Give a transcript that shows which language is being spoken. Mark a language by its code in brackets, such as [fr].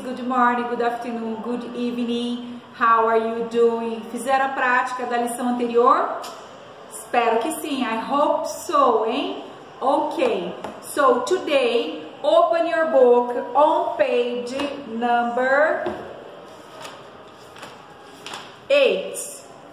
[en] Good morning, good afternoon, good evening. How are you doing? [pt] Fizeram a prática da lição anterior? Espero que sim. [en] I hope so, [pt] hein? Ok. [en] So, today, open your book on page number 8.